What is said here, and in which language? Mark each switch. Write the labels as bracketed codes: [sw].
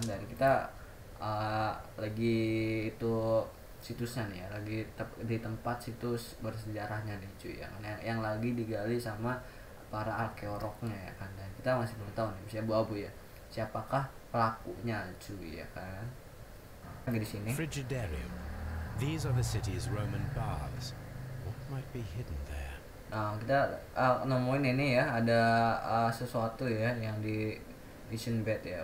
[id] Dan kita lagi itu situsnya nih ya, lagi di tempat situs bersejarahnya nih cuy ya kan, yang lagi digali sama para arkeolognya ya kan. Dan kita masih belum tahu nih, siapa abu ya, siapakah pelakunya cuy ya kan. [la] Frigidarium. [en] These are the city's Roman baths. What might be hidden there? [id] Nah, kita nemuin ini ya, ada sesuatu ya yang di mission bed ya.